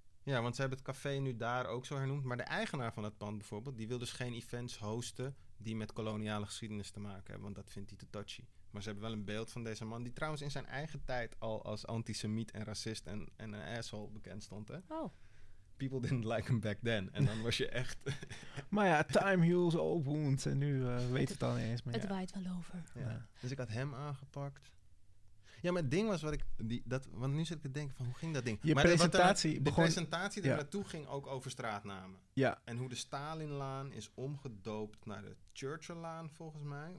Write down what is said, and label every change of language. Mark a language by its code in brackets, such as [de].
[nl] Ja, want ze hebben het café nu daar ook zo hernoemd. Maar de eigenaar van dat pand bijvoorbeeld, die wil dus geen events hosten die met koloniale geschiedenis te maken hebben, want dat vindt hij te touchy. Maar ze hebben wel een beeld van deze man, die trouwens in zijn eigen tijd al als antisemiet en racist en een asshole bekend stond. Hè? Oh. [en] People didn't like him back then. [nl] En dan was je echt... Maar ja, [en] time heals all wounds. [nl] En nu weet het al niet eens. Maar het ja. waait wel over. Ja. Ja. Dus ik had hem aangepakt. Ja, maar het ding was wat ik... Want nu zit ik te denken van, hoe ging dat ding? Je maar presentatie begon... De presentatie die naartoe ging ook over straatnamen. Ja. En hoe de Stalinlaan is omgedoopt naar de Churchilllaan, volgens mij.